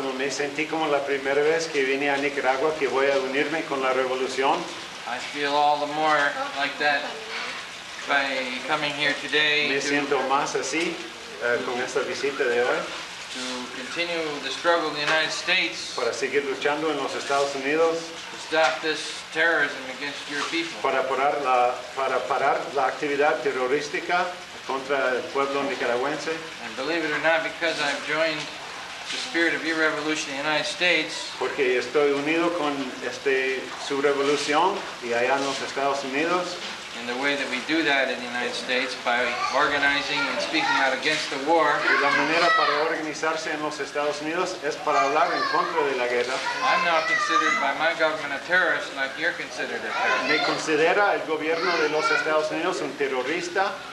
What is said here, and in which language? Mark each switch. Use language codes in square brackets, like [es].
[es] Sentí como la primera vez que vine a Nicaragua que voy a unirme con la revolución. [en] I feel all the more like that by coming here today. [es] Me siento más así con esta visita de hoy. [en] To continue the struggle in the United States. [es] Para seguir luchando en los Estados Unidos. [en] To stop this terrorism against your people. [es] Para parar la actividad terrorística contra el pueblo nicaragüense. [en] And believe it or not, because I've joined the spirit of your revolution in the United States. [es] Porque estoy unido con este su revolución y allá en los Estados Unidos. [en] In the way that we do that in the United States by organizing and speaking out against the war. [es] Y la manera para organizarse en los Estados Unidos es para hablar en contra de la guerra. [en] I'm not considered by my government a terrorist like you're considered a terrorist. [es] Me considera el gobierno de los Estados Unidos un terrorista.